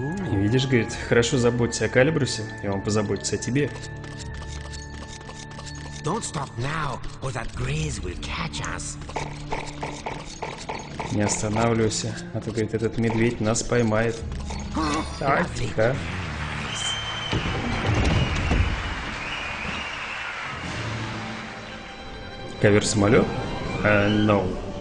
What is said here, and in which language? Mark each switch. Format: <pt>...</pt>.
<ru>Видишь, говорит, хорошо заботься о Калибрусе, и он позаботится о тебе.</ru> <en>Don't stop now, or that graze will catch us.</en> <ru>Не останавливайся, а то, говорит, этот медведь нас поймает. Так, тихо. Ковер-самолет?</ru> <en>No.</en>